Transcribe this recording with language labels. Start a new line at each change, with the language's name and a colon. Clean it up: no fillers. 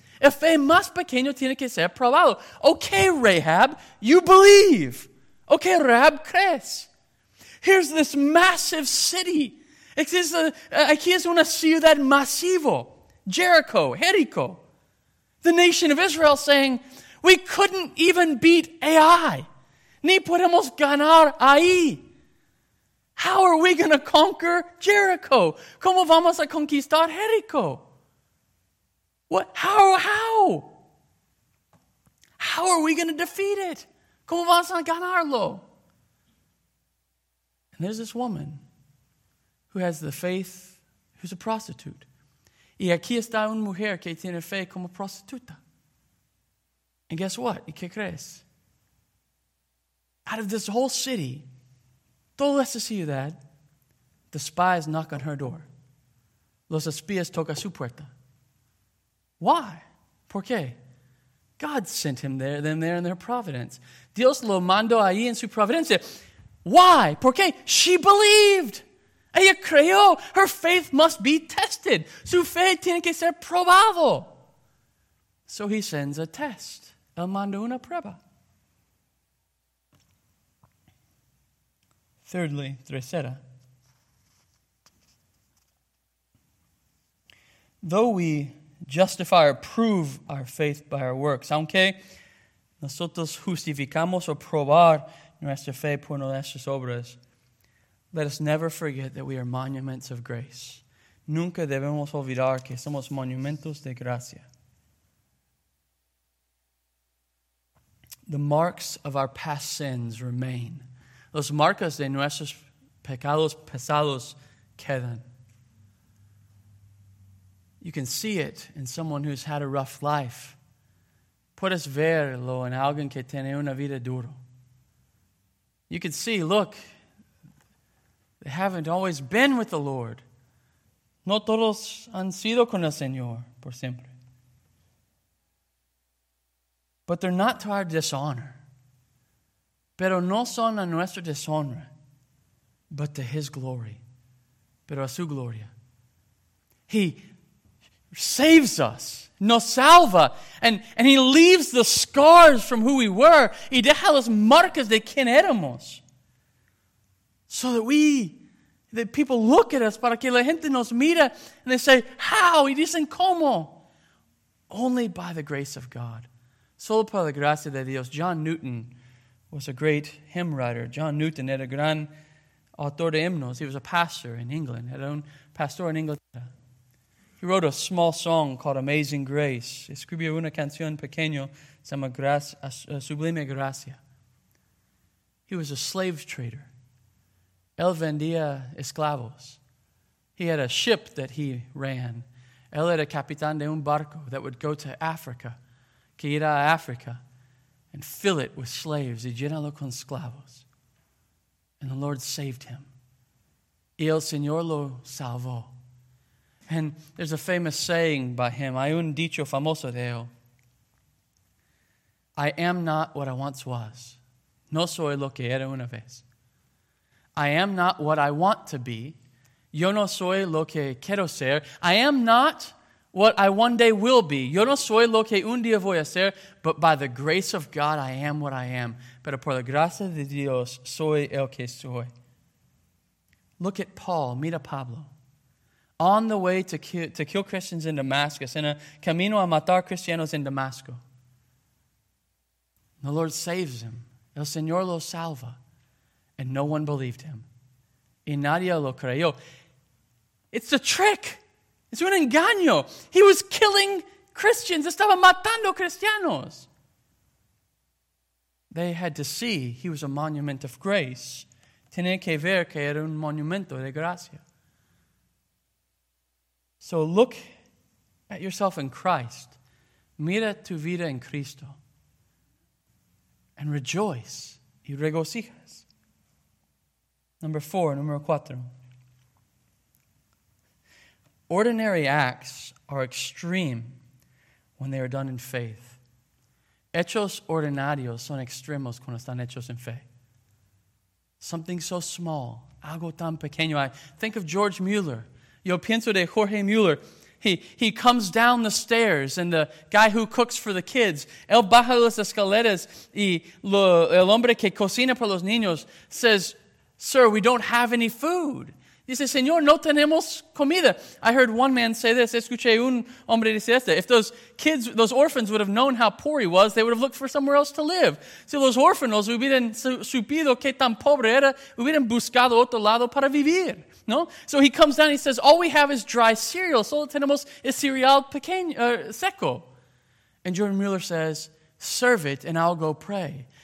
Spanish: El fe más pequeño tiene que ser probado.
English: Okay, Rahab, you believe.
Spanish: Okay, Rahab, crees.
English: Here's this massive city.
Spanish: Aquí es una ciudad masivo.
English: Jericho, Jericho. The nation of Israel saying, we couldn't even beat Ai.
Spanish: Ni podemos ganar ahí.
English: How are we going to conquer Jericho?
Spanish: ¿Cómo vamos a conquistar Jericho?
English: What? How? How are we going to defeat it?
Spanish: ¿Cómo vamos a ganarlo?
English: And there's this woman who has the faith, who's a prostitute.
Spanish: Y aquí está una mujer que tiene fe como prostituta.
English: And guess what?
Spanish: ¿Y qué crees?
English: Out of this whole city,
Spanish: todo esto
English: see you, Dad. The spies knock on her door.
Spanish: Los espías tocan su puerta.
English: Why?
Spanish: ¿Por qué?
English: God sent him there, then there in their providence.
Spanish: Dios lo mandó ahí en su providencia.
English: Why?
Spanish: ¿Por qué?
English: She believed.
Spanish: Ella creyó.
English: Her faith must be tested.
Spanish: Su fe tiene que ser probado.
English: So he sends a test.
Spanish: Él mandó una prueba.
English: Thirdly,
Spanish: tercera.
English: Though we justify or prove our faith by our works,
Spanish: aunque nosotros justificamos o probar nuestra fe por nuestras obras,
English: let us never forget that we are monuments of grace.
Spanish: Nunca debemos olvidar que somos monumentos de gracia.
English: The marks of our past sins remain.
Spanish: Los marcas de nuestros pecados pasados quedan.
English: You can see it in someone who's had a rough life.
Spanish: Puedes verlo en alguien que tiene una vida dura.
English: You can see, look, they haven't always been with the Lord.
Spanish: No todos han sido con el Señor por siempre.
English: But they're not to our dishonor.
Spanish: Pero no son a nuestra deshonra,
English: but to His glory.
Spanish: Pero a su gloria.
English: He saves us,
Spanish: nos salva,
English: and He leaves the scars from who we were,
Spanish: y deja las marcas de quien éramos,
English: so that we, that people look at us,
Spanish: para que la gente nos mira,
English: and they say, how?
Spanish: Y dicen, ¿cómo?
English: Only by the grace of God.
Spanish: Solo por la gracia de Dios. John Newton was a great hymn writer. John Newton era gran autor de himnos.
English: He was a pastor in England,
Spanish: era un pastor en Inglaterra.
English: He wrote a small song called Amazing Grace.
Spanish: Escribió una canción pequeña, se llama Sublime Gracia.
English: He was a slave trader.
Spanish: Él vendía esclavos.
English: He had a ship that he ran.
Spanish: Él era capitán de un barco
English: that would go to Africa,
Spanish: que irá a Africa,
English: and fill it with slaves,
Spanish: y llenarlo con esclavos.
English: And the Lord saved him.
Spanish: Y el Señor lo salvó.
English: And there's a famous saying by him.
Spanish: Hay un dicho famoso de él.
English: I am not what I once was.
Spanish: No soy lo que era una vez.
English: I am not what I want to be.
Spanish: Yo no soy lo que quiero ser.
English: I am not what I one day will be.
Spanish: Yo no soy lo que un día voy a ser.
English: But by the grace of God, I am what I am.
Spanish: Pero por la gracia de Dios, soy el que soy.
English: Look at Paul.
Spanish: Mira Pablo.
English: On the way to kill Christians in Damascus,
Spanish: in a camino a matar cristianos in Damasco.
English: The Lord saves him.
Spanish: El Señor lo salva.
English: And no one believed him.
Spanish: Y nadie lo creyó.
English: It's a trick. It's
Spanish: un engaño.
English: He was killing Christians.
Spanish: Estaba matando cristianos.
English: They had to see he was a monument of grace.
Spanish: Tenía que ver que era un monumento de gracia.
English: So look at yourself in Christ.
Spanish: Mira tu vida en Cristo.
English: And rejoice.
Spanish: Y regocijas. Number cuatro.
English: Ordinary acts are extreme when they are done in faith.
Spanish: Hechos ordinarios son extremos cuando están hechos en fe.
English: Something so small.
Spanish: Algo tan pequeño.
English: I think of George Mueller. Yo pienso de Jorge Mueller. He comes down the stairs, and the guy who cooks for the kids,
Spanish: él baja las escaleras, y el hombre que cocina para los niños
English: says, sir, we don't have any food.
Spanish: Dice, señor, no tenemos comida.
English: I heard one man say this.
Spanish: Escuché un hombre decir esto.
English: If those kids, those orphans would have known how poor he was, they would have looked for somewhere else to live.
Spanish: Si los órfanos hubieran supido que tan pobre era, hubieran buscado otro lado para vivir. No?
English: So he comes down, he says, all we have is dry cereal.
Spanish: Solo tenemos es cereal pequeño, seco.
English: And Jordan Mueller says, serve it and I'll go pray.